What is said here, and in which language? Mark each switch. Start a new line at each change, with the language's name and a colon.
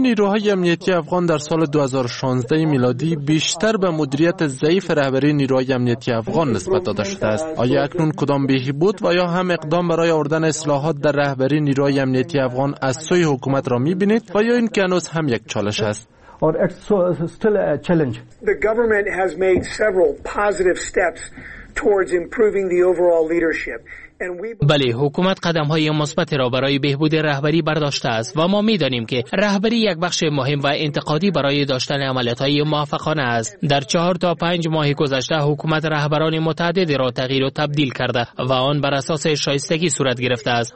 Persian: نیروهای امنیتی افغان در سال 2016 میلادی بیشتر به مدیریت ضعیف رهبری نیروهای امنیتی افغان نسبت داده شده است. آیا اکنون کدام بهبود و یا هم اقدام برای آوردن اصلاحات در رهبری نیروهای امنیتی افغان از سوی حکومت را می‌بینید و یا این که هنوز هم یک چالش است؟
English: The government has made several positive steps towards improving the overall leadership.
Persian: بله، حکومت قدم‌های مثبتی را برای بهبود رهبری برداشته است و ما می‌دانیم که رهبری یک بخش مهم و انتقادی برای داشتن عملیات‌های موفقانه است. در 4 تا 5 ماه گذشته حکومت رهبران متعددی را تغییر و تبدیل کرده و آن بر اساس شایستگی صورت گرفته است.